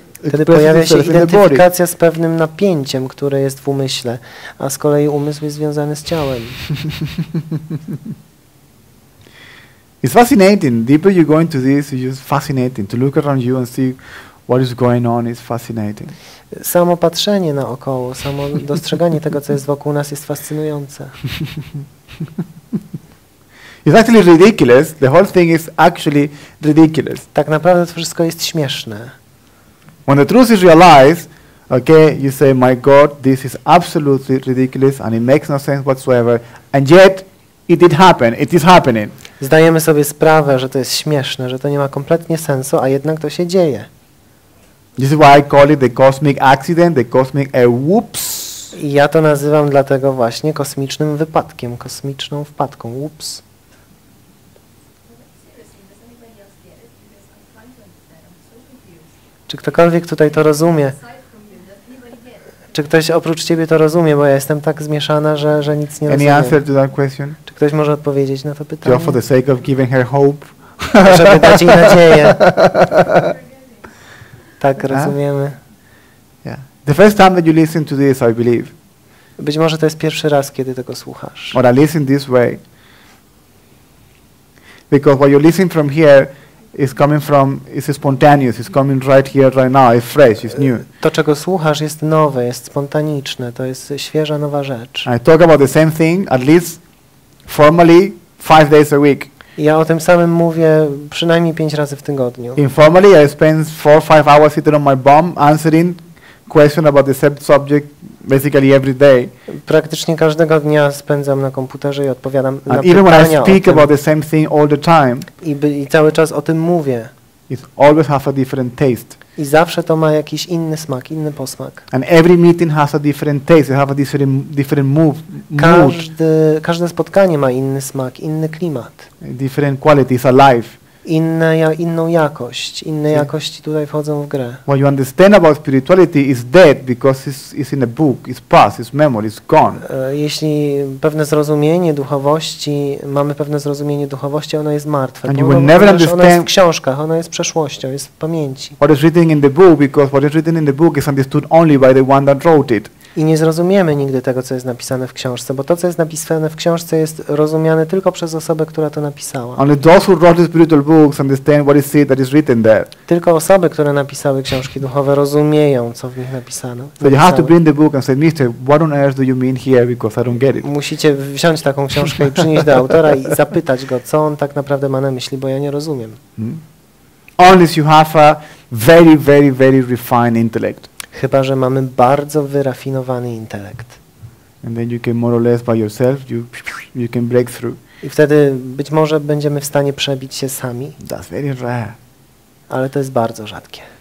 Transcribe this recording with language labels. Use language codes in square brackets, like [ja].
[pl] Wtedy pojawia się identyfikacja z pewnym napięciem, które jest w umyśle, a z kolei umysł jest związany z ciałem. [en] It's fascinating. The deeper you go into this, it's just fascinating. To look around you and see what is going on is fascinating. [pl] Samo patrzenie naokoło, samo dostrzeganie tego, co jest wokół nas, jest fascynujące. [en] It's actually ridiculous. The whole thing is actually ridiculous. [pl] Tak naprawdę to wszystko jest śmieszne. [en] When the truth is realized, okay, you say, my God, this is absolutely ridiculous and it makes no sense whatsoever. And yet, it did happen. It is happening. [pl] Zdajemy sobie sprawę, że to jest śmieszne, że to nie ma kompletnie sensu, a jednak to się dzieje. [en] This is why I call it the cosmic accident, the cosmic whoops. [pl] I ja to nazywam dlatego właśnie kosmicznym wypadkiem, kosmiczną wpadką, whoops. Czy ktokolwiek tutaj to rozumie? Czy ktoś oprócz ciebie to rozumie, bo ja jestem tak zmieszana, że nic nie rozumiem. [en] Any answer to that question? [pl] Czy ktoś może odpowiedzieć na to pytanie? [en] For the sake of giving her hope. [pl] Żeby dać jej nadzieję. Tak, rozumiemy. [en] Yeah. The first time that you listen to this, I believe. [pl] Być może to jest pierwszy raz, kiedy tego słuchasz. [en] Or I listen this way. Because what you listen from here, it's coming from, it's spontaneous, it's coming right here, right now, it's fresh, it's new. [pl] To, czego słuchasz, jest nowe, jest spontaniczne, to jest świeża, nowa rzecz. [en] I talk about the same thing, at least formally, 5 days a week. [pl] Ja o tym samym mówię przynajmniej 5 razy w tygodniu. [en] Informally, I spend 4-5 hours sitting on my bum, answering questions about the same subject, basically every day. [pl] Praktycznie każdego dnia spędzam na komputerze i odpowiadam na pytania. [en] Even when I speak about the same thing all the time. [pl] I cały czas o tym mówię. [en] It always has a different taste. [pl] I zawsze to ma jakiś inny smak, inny posmak. [en] And every meeting has a different taste. It has a different move. [pl] Każde spotkanie ma inny smak, inny klimat. [en] Different qualities alive. [pl] Inną jakość, inne jakości tutaj wchodzą w grę. [en] What you understand about spirituality is dead because it's in a book, it's past, it's memory, it's gone. [pl] Jeśli pewne zrozumienie duchowości, mamy pewne zrozumienie duchowości, ono jest martwe. [en] And you will never understand. [pl] Ono jest w książkach, ono jest przeszłością, jest w pamięci. [en] What is written in the book, because what is written in the book is understood only by the one that wrote it. [pl] I nie zrozumiemy nigdy tego, co jest napisane w książce, bo to, co jest napisane w książce, jest rozumiane tylko przez osobę, która to napisała. [en] Only those who wrote the spiritual books understand what is it that is written there. [pl] Tylko osoby, które napisały książki duchowe, rozumieją, co w nich napisano. [en] So you have to bring the book and say, Mister, what on earth do you mean here? Because I don't get it. [pl] Musicie wziąć taką książkę i przynieść do autora i zapytać go, co on tak naprawdę ma na myśli, bo ja nie rozumiem. Hmm? [en] Unless you have a very, very, very refined intellect. [pl] Chyba że mamy bardzo wyrafinowany intelekt. [en] And then you can more or less by yourself, you can break through. [pl] I wtedy być może będziemy w stanie przebić się sami. [en] That's very rare. [pl] Ale to jest bardzo rzadkie.